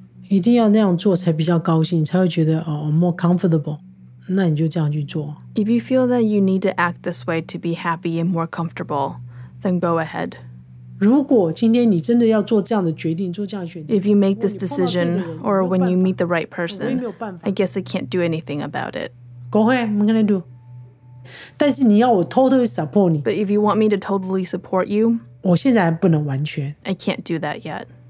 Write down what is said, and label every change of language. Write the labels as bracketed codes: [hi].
[en] If you feel that you need to act this way to be happy, more comfortable, then you just do it. If you feel that you need to act this way to be happy and more comfortable, then go ahead. [zh] 如果今天你真的要做这样的决定，做这样的选择， [en] if you make this decision, or when you meet the right person, I guess I can't do anything about it. Go ahead, I'm gonna do. [zh] 但是你要我 [en] totally support 你， but if you want me to totally support you, [zh] 我现在还不能完全， [en] I can't do that yet.